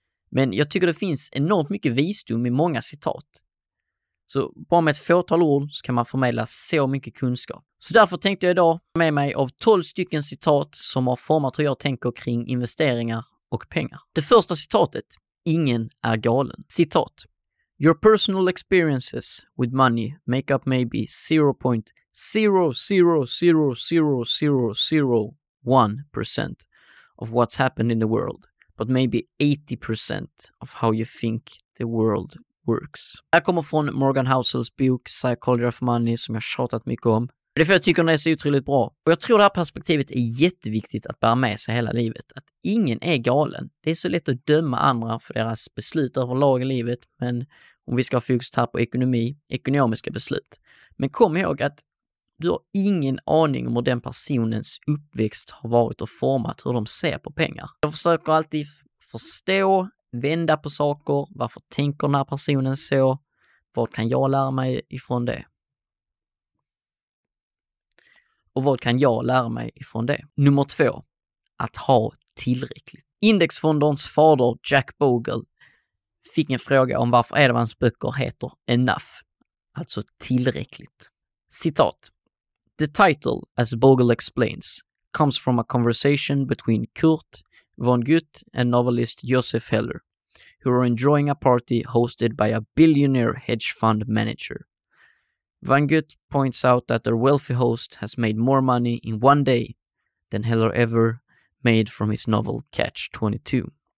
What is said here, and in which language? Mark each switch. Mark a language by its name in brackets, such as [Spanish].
[Swedish] Men jag tycker det finns enormt mycket visdom i många citat. Så bara med ett fåtal ord så kan man förmedla så mycket kunskap. Så därför tänkte jag idag med mig av 12 stycken citat som har format hur jag tänker kring investeringar och pengar. Det första citatet. Ingen är galen. Citat. [English] Your personal experiences with money make up maybe 0.00000001% of what's happened in the world, but maybe 80% of how you think the world works. [Swedish] Jag kommer från Morgan Housels bok Psychology of Money som jag tjatat mycket om. Det är för att jag tycker den är så otroligt bra. Och jag tror det här perspektivet är jätteviktigt att bära med sig hela livet. Att ingen är galen. Det är så lätt att döma andra för deras beslut överlag i livet, men om vi ska ha fokus här på ekonomi, ekonomiska beslut. Men kom ihåg att du har ingen aning om hur den personens uppväxt har varit och format hur de ser på pengar. Jag försöker alltid förstå, vända på saker. Varför tänker den här personen så? Vad kan jag lära mig ifrån det? Och vad kan jag lära mig ifrån det? Nummer 2. Att ha tillräckligt. Indexfondens fader Jack Bogle fick en fråga om varför Edelmans böcker heter Enough, alltså tillräckligt. Citat. [English] The title, as Bogle explains, comes from a conversation between Kurt von Gutt and novelist Joseph Heller, who are enjoying a party hosted by a billionaire hedge fund manager. Von Gutt points out that their wealthy host has made more money in one day than Heller ever made from his novel Catch 22.